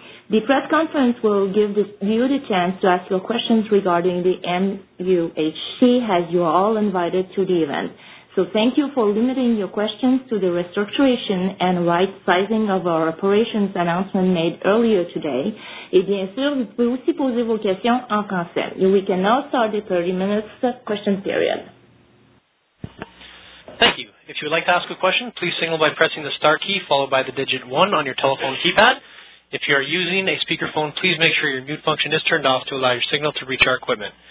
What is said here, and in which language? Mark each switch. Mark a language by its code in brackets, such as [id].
[en] The press conference will give you the chance to ask your questions regarding the MUHC, as you are all invited to the event. So thank you for limiting your questions to the restructuration and right-sizing of our operations announcement made earlier today. [fr] Et bien sûr, vous pouvez aussi poser vos questions en français. [en] We can now start the 30-minute question period. Thank you. If you would like to ask a question, please signal by pressing the star key followed by the digit 1 on your telephone keypad. If you are using a speakerphone, please make sure your mute function is turned off to allow your signal to reach our equipment.